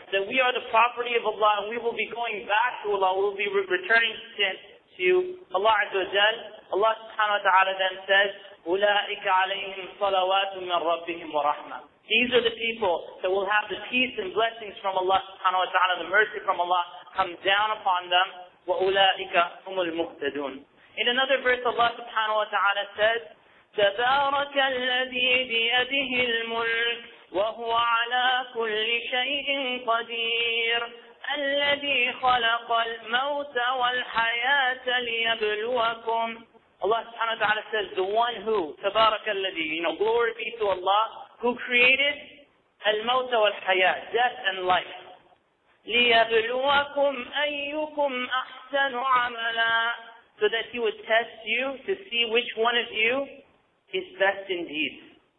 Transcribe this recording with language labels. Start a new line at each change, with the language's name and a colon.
English: That we are the property of Allah and we will be going back to Allah. We will be returning to Allah azza wa jal. Allah subhanahu wa ta'ala then says,
Arabic: ulaika alayhim salawatun min rabbihim wa rahmah.
English: These are the people that will have the peace and blessings from Allah subhanahu wa ta'ala, the mercy from Allah come down upon them.
Arabic: وَأُولَٰئِكَ هُمُ الْمُهْتَدُونَ.
English: In another verse, Allah subhanahu wa ta'ala says,
Arabic: تَبَارَكَ الَّذِي بِيَدِهِ الْمُلْكِ وَهُوَ عَلَىٰ كُلِّ شَيْءٍ قَدِيرٍ الَّذِي خَلَقَ الْمَوْتَ وَالْحَيَاةَ لِيَبْلُوَكُمْ.
English: Allah subhanahu wa ta'ala says, the one who,
Arabic: تَبَارَكَ الَّذِي,
English: you know, glory be to Allah, who created
Arabic: الْمَوْتَ وَالْحَيَاةَ,
English: death and life.
Arabic: لِيَبْلُوَكُمْ أَيُّكُمْ أَحْسَنُ عَمَلًا.
English: So that He would test you to see which one of you is best indeed.